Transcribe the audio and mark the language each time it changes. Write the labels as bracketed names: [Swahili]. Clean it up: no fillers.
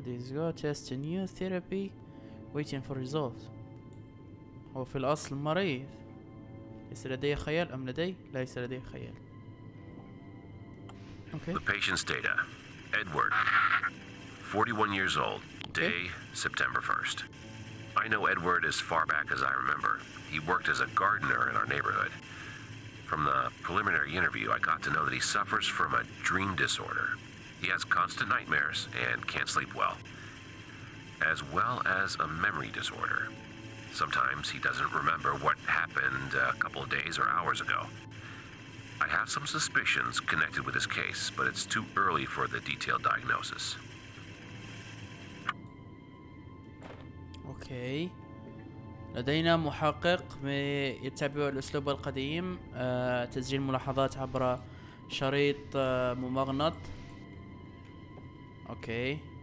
[English] This guy test a new therapy. Waiting for results. [Arabic] هو في الأصل مريض، ليس لدي خيال أم لدي؟ ليس لدي خيال. [English] Okay. The patient's data. Edward, 41 years old. Day, okay. September 1st. I know Edward as far back as I remember. He worked as a gardener in our neighborhood. From the preliminary interview, I got to know that he suffers from a dream disorder. He has constant nightmares and can't sleep well. As well as a memory disorder. Sometimes he doesn't remember what happened a couple of days or hours ago. I have some suspicions connected with his case, but it's too early for the detailed diagnosis. Okay. [Arabic] لدينا محقق يتبع الأسلوب القديم، تسجيل ملاحظات عبر شريط ممغنط. [English] Okay.